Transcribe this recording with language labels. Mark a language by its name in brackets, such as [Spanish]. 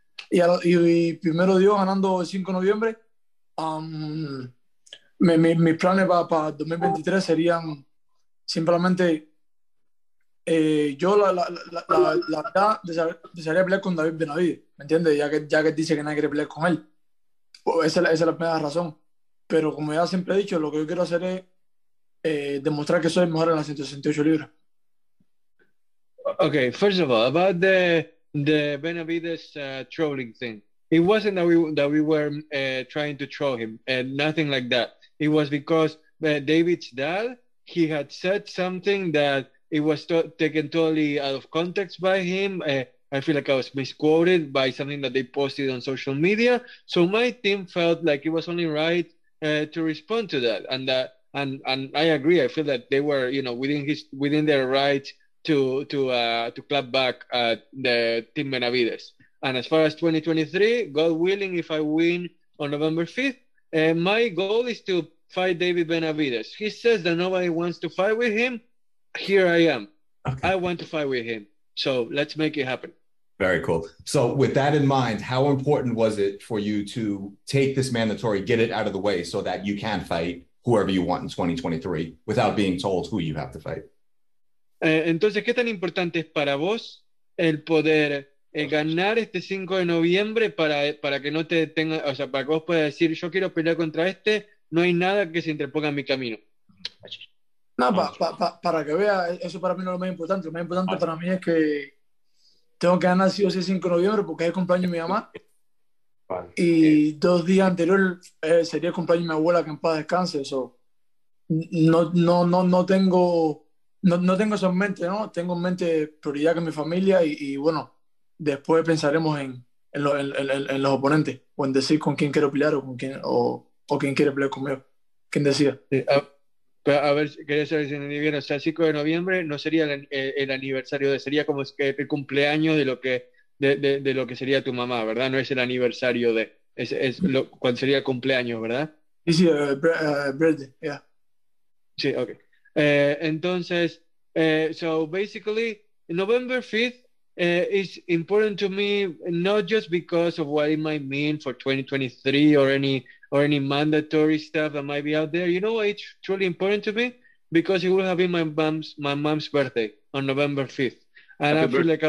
[Spanish] Y primero Dios, ganando el 5 de noviembre, mis planes para 2023 serían simplemente, desearía pelear con David Benavides, ¿me entiendes? Ya que dice que nadie quiere pelear con él. Esa es la primera razón. Pero como ya siempre he dicho, lo que yo quiero hacer es demostrar que soy mejor en las 168 libras. [English] Okay, first of all, about the Benavides trolling thing. It wasn't that we were trying to troll him, and nothing like that. It was because David's dad, he had said something that it was taken totally out of context by him. I feel like I was misquoted by something that they posted on social media. So my team felt like it was only right to respond to that, and I agree. I feel that they were, you know, within their rights to clap back at the team Benavides. And as far as 2023, God willing, if I win on November 5th, my goal is to fight David Benavides. He says that nobody wants to fight with him. Here I am. Okay. I want to fight with him. So let's make it happen. Very cool. So with that in mind, how important was it for you to take this mandatory, get it out of the way so that you can fight whoever you want in 2023 without being told who you have to fight? [Spanish] Entonces, ¿qué tan importante es para vos el poder ganar este 5 de noviembre para que no te tenga, o sea, para que vos puedas decir, yo quiero pelear contra este, no hay nada que se interponga en mi camino? No, para que vea, eso para mí no es lo más importante para mí es que tengo que ganar sí o sí 5 de noviembre porque es el cumpleaños de mi mamá. Y dos días anteriores sería el cumpleaños de mi abuela, que en paz descanse. So, no tengo eso en mente, ¿no? Tengo en mente prioridad que mi familia, y bueno, después pensaremos en los oponentes, o en decir con quién quiero pelear, o quién quiere pelear conmigo, quién decida. A ver, quería saber si entendí bien. O sea, el 5 de noviembre no sería el aniversario, sería como el cumpleaños de lo que sería tu mamá, ¿verdad? No es el aniversario de, es lo, cuando sería el cumpleaños, ¿verdad? [English] Sí, birthday, yeah. [Spanish] Sí, ok. [English] Entonces, so basically, November 5th is important to me, not just because of what it might mean for 2023 or any mandatory stuff that might be out there. You know why it's truly important to me? Because it will have been my mom's birthday on November 5th. And Happy I feel birthday.